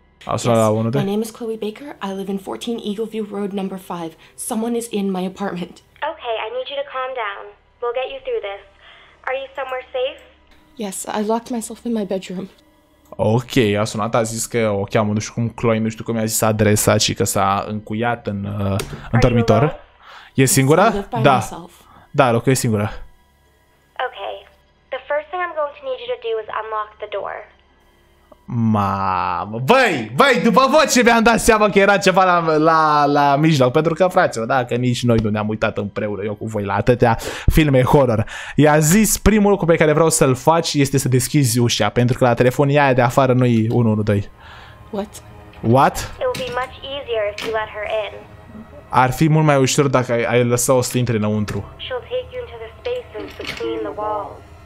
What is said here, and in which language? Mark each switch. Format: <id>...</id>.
<en>Yes, my name is Chloe Baker. I live in 14 Eagleview Road number 5. Someone is in my apartment. Okay, I need you to calm down. We'll get you through this. Are you somewhere safe? Yes, I locked myself in my bedroom.</en> <ro>Ok, a sunat, a zis că o cheamă, nu știu cum, Chloe, nu știu cum i-a zis adresa, ci că s-a încuiat în dormitor. E singura? Da. Da, locuie singura.</ro> <en>Ok. The first thing I'm going to need you to do is unlock the door.</en> <ro>Mamă, băi, băi, după voce mi-am dat seama că era ceva la mijloc. Pentru că, fraților, dacă nici noi nu ne-am uitat împreună, eu cu voi, la atâtea filme horror. I-a zis, primul lucru pe care vreau să-l faci este să deschizi ușa, pentru că la telefonia aia de afară nu-i 112.</ro> <en>What? What? It'll be much easier if you let her in.</en> <ro>Ar fi mult mai ușor dacă ai lăsa-o să intre înăuntru.</ro> <en>She'll take you into the spaces between the walls.</en>